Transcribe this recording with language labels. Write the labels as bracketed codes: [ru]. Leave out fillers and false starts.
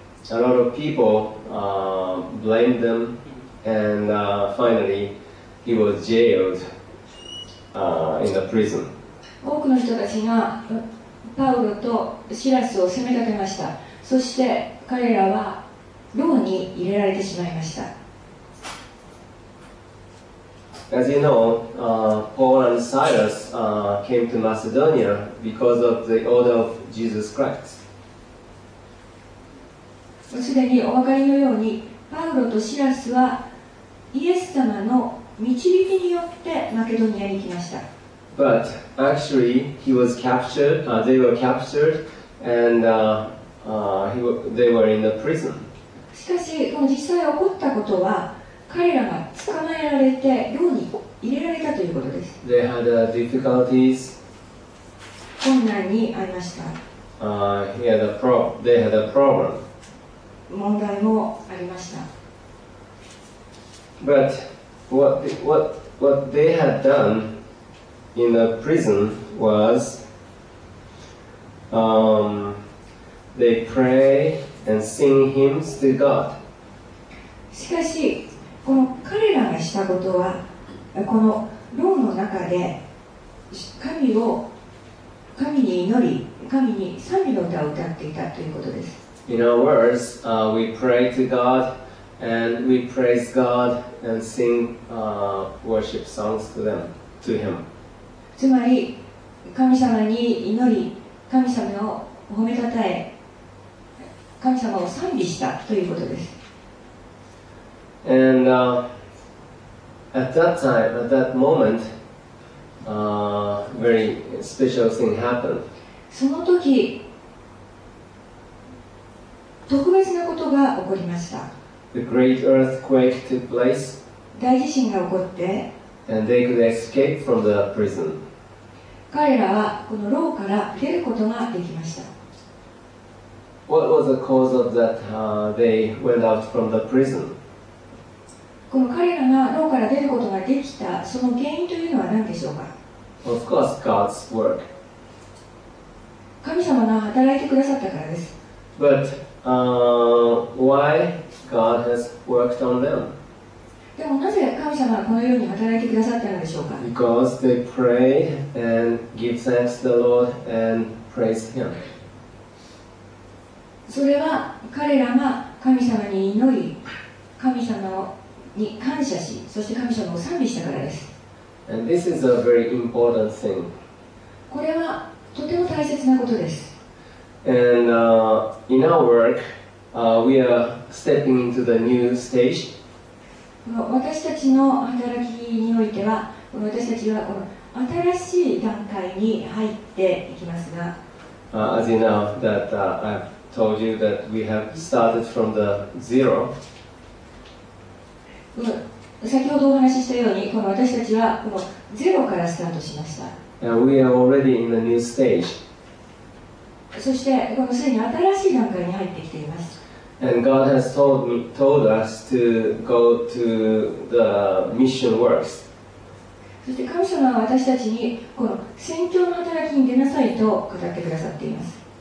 [en] A lot of people blamed them, and finally, he was jailed in the prison. [ja] 多くの人たちがパウロとシラスを責め立てました。そして彼らは牢に入れられてしまいました。 [en] As you know, Paul and Silas came to Macedonia because of the order of Jesus Christ. [ja] すでにお分かりのように、パウロとシラスはイエス様の導きによってマケドニアに来ました。 [en] But actually, he was captured. They were captured, and they were in the prison. [ja] しかし、この実際起こったことは、彼らが捕まえられて牢に入れられたということです。 [en] They had difficulties. [ja] 困難にありました。 [en] they had a problem. [ja] 問題もありました。 [en] But what they had done in the prison was, they pray and sing hymns to God. [ja] しかし、この彼らがしたことは、この牢の中で神に祈り、神に賛美の歌を歌っていたということです。 [en] In our words, we pray to God and we praise God and sing worship songs to them, to Him. [ja] つまり、神様に祈り、神様を褒めたたえ、神様を賛美したということです。 [en] And at that time, at that moment, a very special thing happened. [ja] その時、特別なことが起こりました。 [en] The great earthquake took place. [ja] 大地震が起こって、 [en] And they could escape from the prison. [ja] 彼らはこの牢から出ることができました。 [en] What was the cause of that, they went out from the prison? [ja] この彼らが牢から出ることができたその原因というのは何でしょうか? [en] Of course, God's work. [ja] 神様が働いてくださったからです。 [en] But why God has worked on them? [ja] でもなぜ神様がこのように働いてくださったのでしょうか? [en] Because they pray and give thanks to the Lord and praise Him. [ja] それは彼らが神様に祈り、神様に感謝し、そして神様を賛美したからです。 [en] And this is a very important thing. [ja] これはとても大切なことです。 [en] And in our work, we are stepping into the new stage. [ja] 私たちの働きにおいては、私たちはこの新しい段階に入っていきますが、 [en] As you know, that I've told you that we have started from the zero. [ja] 先ほどお話ししたように、この私たちはこのゼロからスタートしました。 [en] And we are already in the new stage. [ja] そしてこの既に新しい段階に入ってきています。 [en] And God has told us to go to the mission works. [ja] そして神様は私たちにこの宣教の働きに出なさいと語ってくださっています。